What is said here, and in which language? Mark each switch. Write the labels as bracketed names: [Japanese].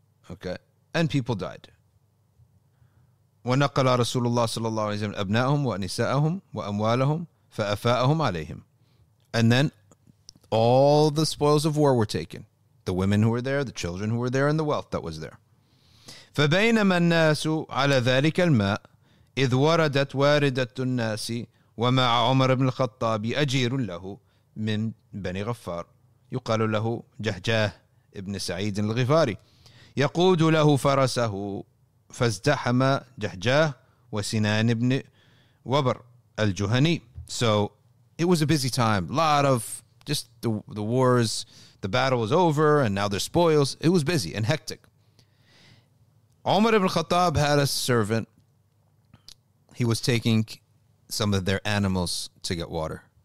[English] Okay. And people died. [Arabic] وَنَقَلَ رَسُولُ اللَّهِ صَلَّى اللَّهُ عَلَيْهِ وَسَلَّمَ أَبْنَاءَهُمْ وَنِسَاءَهُمْ وَأَمْوَالَهُمْ فَأَفَاءَهُمْ عَلَيْهِمْ. [English] And then all the spoils of war were taken. The women who were there, the children who were there, and the wealth that was there. [Arabic] فَبَيْنَمَا النَّاسُ عَلَى ذَلِكَ الْمَاءِ إِذْ وَرَدَتْ وَارِدَةُ النَّاسِ وَمَعَ عُمَرَ بْنِ الْخَطَّابِ أَجِيرٌ لَهُ من بني غفار يقال له جهجاه ابن سعيد الغفاري يقود له فرسه فازدحم جهجاه وسنان ابن وبر الجهني. [English] So it was a busy time, a lot of just the wars, the battle was over and now there's spoils. It was busy and hectic. Umar ibn Khattab had a servant. He was taking some of their animals to get water.